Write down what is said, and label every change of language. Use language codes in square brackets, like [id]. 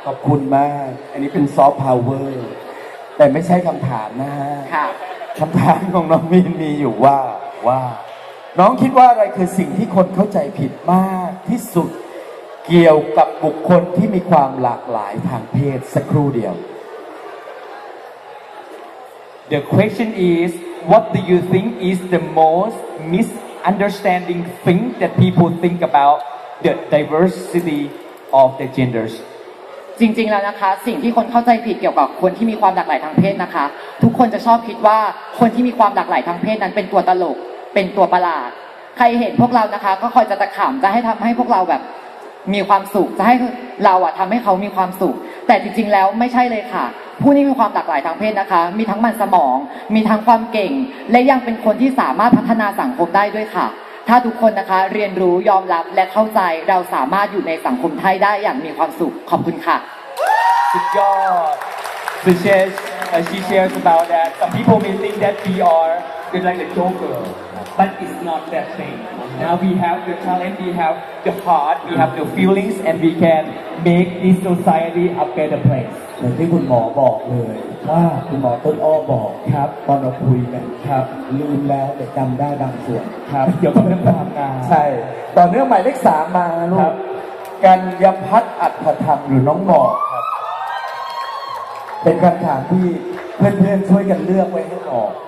[th] ขอบคุณมากอันนี้เป็นซอฟต์พาวเวอร์แต่ไม่ใช่คำถามนะฮะ ค่ะ คำถามของน้องมีนมีอยู่ว่าน้องคิดว่าอะไรคือสิ่งที่คนเข้าใจผิดมากที่สุดเกี่ยวกับบุคคลที่มีความหลากหลายทางเพศสักครู่เดียว [en] The question is what do you think is the most misunderstanding thing that people think about the diversity of the genders [th] จริงๆแล้วนะคะสิ่งที่คนเข้าใจผิดเกี่ยวกับคนที่มีความหลากหลายทางเพศนะคะทุกคนจะชอบคิดว่าคนที่มีความหลากหลายทางเพศนั้นเป็นตัวตลกเป็นตัวประหลาดใครเห็นพวกเรานะคะก็คอยจะตะขำจะให้ทำให้พวกเราแบบ มีความสุขจะให้เราอะทำให้เขามีความสุขแต่จริงๆแล้วไม่ใช่เลยค่ะผู้นี้มีความหลากหลายทางเพศนะคะมีทั้งมันสมองมีทั้งความเก่งและยังเป็นคนที่สามารถพัฒนาสังคมได้ด้วยค่ะถ้าทุกคนนะคะเรียนรู้ยอมรับและเข้าใจเราสามารถอยู่ในสังคมไทยได้อย่างมีความสุขขอบคุณค่ะ สุดยอด [en] so she shares about that some people may think that we are like the joker but it's not that thing. Now we have the talent, we have the heart, we have the feelings, and we can make this society a better place. [th] อย่างที่คุณหมอบอกเลยว่าคุณหมอต้นอ้อบอก ครับ ตอนเราคุยกัน ครับ ลืมแล้วแต่จำได้บางส่วน ครับเกี่ยวกับเรื่องความงาม ใช่ต่อเนื่องหมายเลข3มาลูกกัญญพัฒน์อัตถธรรมหรือน้องหมอครับเป็นคำถามที่เพื่อนๆช่วยกันเลือกไว้ให้หมอ